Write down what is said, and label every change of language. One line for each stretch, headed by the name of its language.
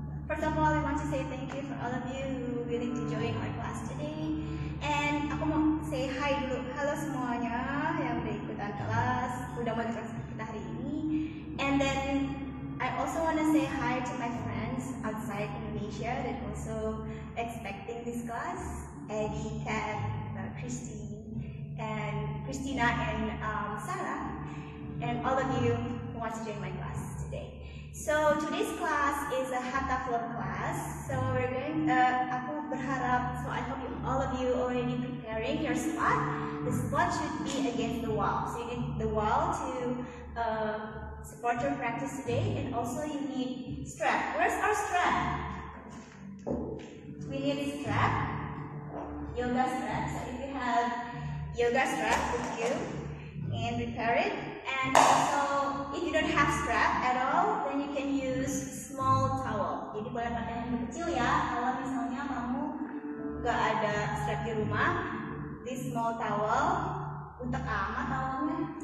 English: First of all, I want to say thank you for all of you who willing to join our class today. And
Indonesian: aku mau
English: say hi
Indonesian: dulu. Halo semuanya yang udah ikutan kelas, udah mau ikutan kita hari ini.
English: And then I also want to say hi to my friends outside Indonesia that also expecting this class. Eddie, Kat, Christine, and Christina and Sarah, and all of you who want to join my class today. So today's class is a Hatha Flow class. So we're going.
Indonesian: Aku berharap.
English: So I hope all of you already preparing your spot. The spot should be against the wall. So you need the wall to support your practice today. And also you need strap. Where's our strap? We need a strap. Yoga strap. So if you have yoga strap with you, and prepare it. And also, if you don't have strap at all, then you can use small towel.
Indonesian: Jadi boleh pakai yang kecil ya. Kalau misalnya kamu gak ada strap di rumah,
English: this small towel
Indonesian: untuk ama towelnya.